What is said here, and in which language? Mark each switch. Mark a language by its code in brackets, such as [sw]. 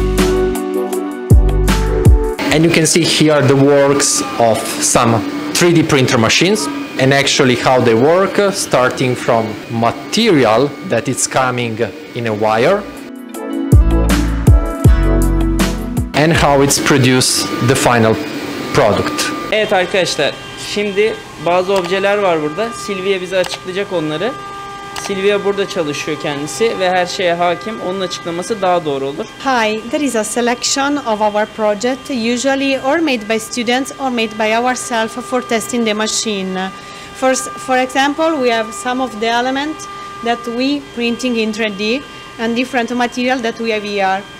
[en] And you can see here the works of some 3D printer machines and actually how they work, starting from material that is coming in a wire and how it's produced the final product. [tr] Evet arkadaşlar, Şimdi bazı objeler var burada. Silvia bize açıklayacak onları. Silvia burada çalışıyor kendisi ve her şeye hakim. Onun açıklaması daha doğru olur. [en] Hi, there is a selection of our project, usually or made by students or made by ourselves for testing the machine. First, for example, we have some of the elements that we printing in 3D and different material that we have here.